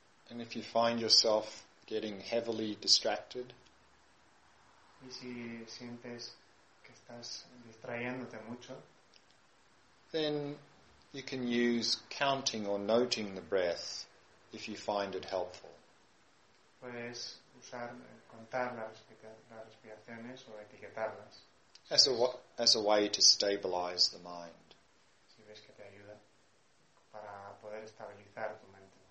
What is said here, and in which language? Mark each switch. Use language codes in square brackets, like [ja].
[en] And if you find yourself getting heavily distracted, [es] y si sientes que estás distrayéndote mucho, [en] then you can use counting or noting the breath if you find it helpful. [es] Puedes usar contar las respiraciones o etiquetarlas. [en] As a way to stabilize the mind. [es] Si ves que te ayuda para poder estabilizar tu mente.